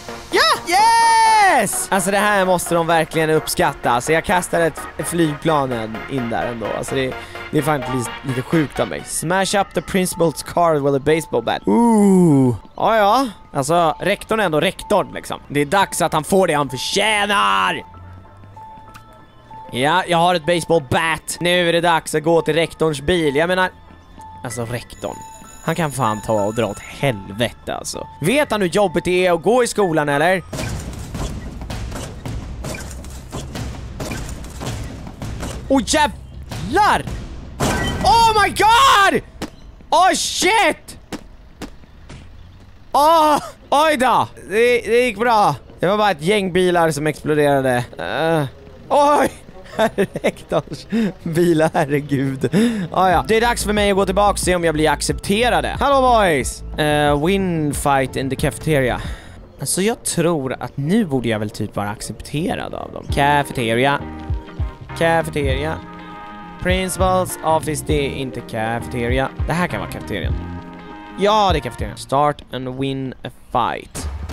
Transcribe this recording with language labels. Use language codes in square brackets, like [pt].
[sv] Ja! [en] Yes! [sv] Alltså det här måste de verkligen uppskatta. Alltså jag kastade ett flygplan in där ändå. Alltså det är fan lite sjukt av mig. [en] Smash up the principal's car with a baseball bat. [sv] Ja. Alltså rektorn är ändå rektorn liksom. Det är dags att han får det han förtjänar. Ja, jag har ett baseball bat. Nu är det dags att gå till rektorns bil. Jag menar, alltså rektorn, han kan fan ta och dra åt helvete alltså. Vet han hur jobbigt det är att gå i skolan eller? Åh jävlar! [en] Oh my god! Oh shit! [sv] Oj då! Det gick bra. Det var bara ett gäng bilar som exploderade. Oj! Rektors bilar, herregud. Ah, ja. Det är dags för mig att gå tillbaka och se om jag blir accepterade. Hallå boys! [en] Win fight in the cafeteria. [sv] Alltså jag tror att nu borde jag väl typ vara accepterad av dem. Cafeteria. Cafeteria. [en] Principals office, [sv] det är inte cafeteria. Det här kan vara cafeterian. Ja, det är cafeterian. [en] Start and win a fight.